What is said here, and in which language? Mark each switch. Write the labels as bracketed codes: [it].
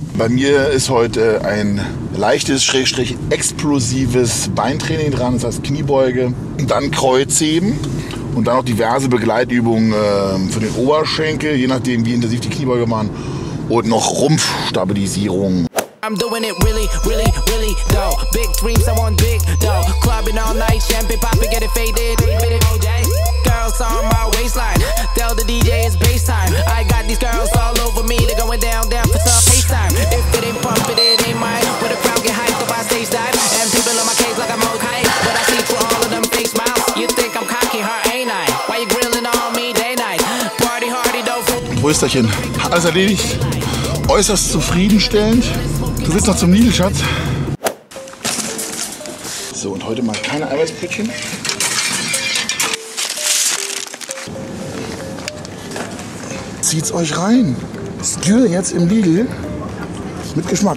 [de] Bei mir ist heute ein leichtes, / explosives Beintraining dran, das heißt Kniebeuge, dann Kreuzheben und dann noch diverse Begleitübungen für den Oberschenkel, je nachdem wie intensiv die Kniebeuge waren und noch Rumpfstabilisierung. [en] I'm doing it really, really, really though. Big dreams, I want big though. Clubbing all night, champagne popping, get it faded. Girls on my waistline. Tell the DJ it's bass time. I got these girls all over me. They're going down, down for some pace time. If it ain't pumping, it ain't mine. When the crowd get hyped up, I stage dive. And people on my case like I'm on kite. But I see through all of them fake smiles. You think I'm cocky, huh, ain't I? Why you grilling on me day night? Party hardy, don't fool. [de] Wo ist das hin? Alles erledigt. Äußerst zufriedenstellend. Du willst noch zum Lidl, Schatz? So, und heute mal keine Eiweißbrötchen. Zieht's euch rein. Skyr jetzt im Lidl. Mit Geschmack.